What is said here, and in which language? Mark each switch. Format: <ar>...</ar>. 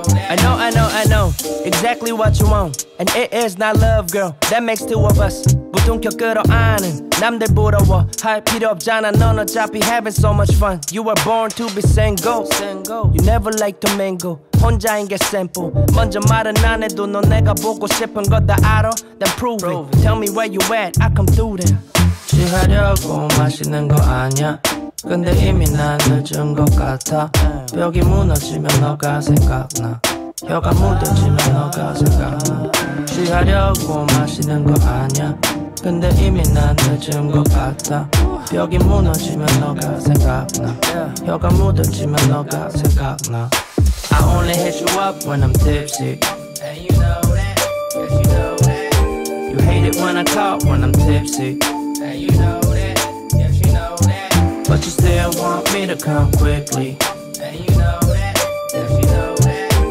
<en>I know, I know, I know exactly what you want And it is not love, girl That makes two of us</en> <ko>무등격 끌어안은 남들 부러워 할 필요 없잖아</ko> <en>넌 어차피 having so much fun You were born to be single You never like to mingle</en> <ko>혼자인 게 simple. 먼저 말은 안 해도 너 내가 보고 싶은 거 다 알아.</ko> <en>Then prove it. Tell me where you at. I come through there.</en> <ko>취하려고 맛있는 거 아니야. 근데 이미 난 늦은 것 같아. 벽이 무너지면 너가 생각나. 혀가 무뎌지면 너가 생각나. 취하려고 마시는 거 아니야. 근데 이미 난 늦은 것 같아. 벽이 무너지면 너가 생각나. 혀가 무뎌지면 너가 생각나.</ko> <en>I only hit you up when I'm tipsy. And you know that, yes you know that. You hate it when I talk when I'm tipsy. And you know that, yes you know that. But you still want me to come quickly. And you know that, yes you know that.</en>